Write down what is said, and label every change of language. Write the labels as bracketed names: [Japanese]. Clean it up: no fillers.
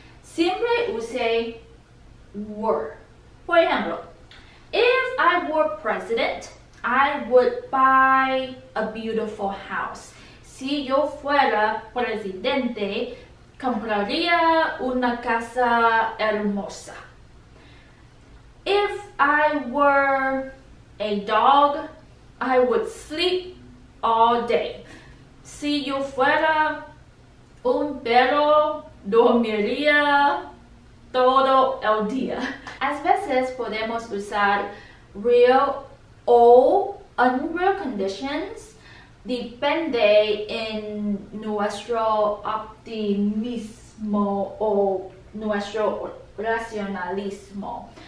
[Spanish] Siempre use [English] were. [Spanish] Por ejemplo, [English] if I were president, I would buy a beautiful house. [Spanish] Si yo fuera presidente, compraría una casa hermosa. [English] If I were a dog, I would sleep all day. [Spanish] Si yo fuera un perro, dormiría todo el día. A veces podemos usar real o unreal conditions, depende en nuestro optimismo o nuestro racionalismo.